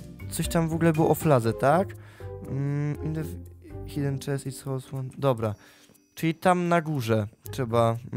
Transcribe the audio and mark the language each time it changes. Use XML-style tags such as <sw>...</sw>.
<pl>Coś tam w ogóle było o fladze, tak?</pl> <en>In the hidden chest is also one.</en> <pl>Dobra, czyli tam na górze trzeba...</pl>